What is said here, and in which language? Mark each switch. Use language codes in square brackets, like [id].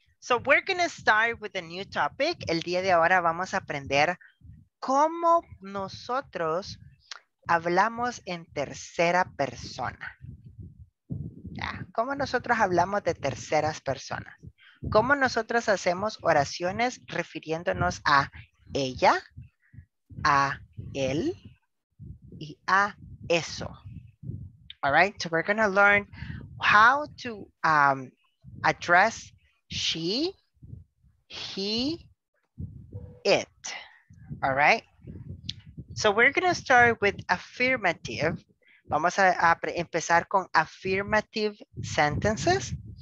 [en] So we're going to start with a new topic. [es] El día de ahora vamos a aprender ¿cómo nosotros hablamos en tercera persona? ¿Cómo nosotros hablamos de terceras personas? ¿Cómo nosotros hacemos oraciones refiriéndonos a ella, a él y a eso? [en] All right, so we're going to learn how to address she, he, it. All right. So we're going to start with affirmative. [es] Vamos a empezar con [en] affirmative sentences.